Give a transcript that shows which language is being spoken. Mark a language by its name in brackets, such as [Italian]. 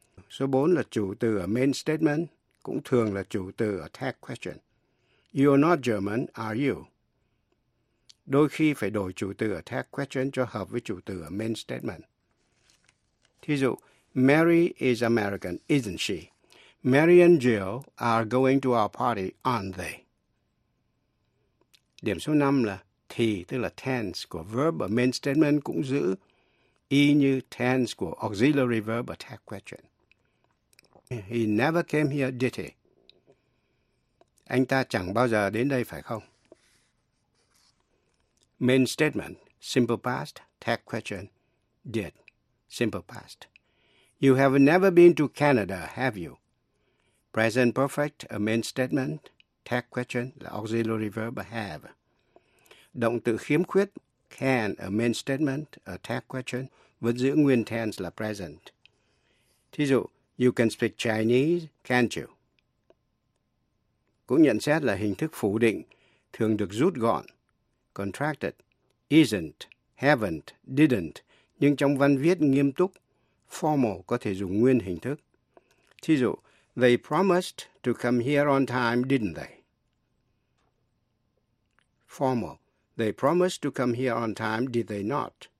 [Vietnamese] Số 4 là chủ từ ở main statement, cũng thường là chủ từ ở tag question. [English] You're not German, are you? [Vietnamese] Đôi khi phải đổi chủ từ ở tag question cho hợp với chủ từ ở main statement. [English] Thí dụ, Mary is American, isn't she? Mary and Jill are going to our party, aren't they? [Vietnamese] Điểm số 5 là thì, tức là tense của verb ở main statement cũng giữ y như tense của auxiliary verb ở tag question. [English] He never came here, did he? [Vietnamese] Anh ta chẳng bao giờ đến đây phải không? [English] Main statement, simple past, tag question, did, simple past. You have never been to Canada, have you? Present perfect, a main statement, tag question, là auxiliary verb have. [Vietnamese] Động từ khiếm khuyết, can, a main statement, a tag question, vẫn giữ nguyên tense là present. [English] Thí dụ, you can speak Chinese, can't you? [Vietnamese] Cũng nhận xét là hình thức phủ định, thường được rút gọn, contracted, isn't, haven't, didn't, nhưng trong văn viết nghiêm túc, formal, có thể dùng nguyên hình thức. [English] Thí dụ, they promised to come here on time, didn't they? Formal. They promised to come here on time, did they not?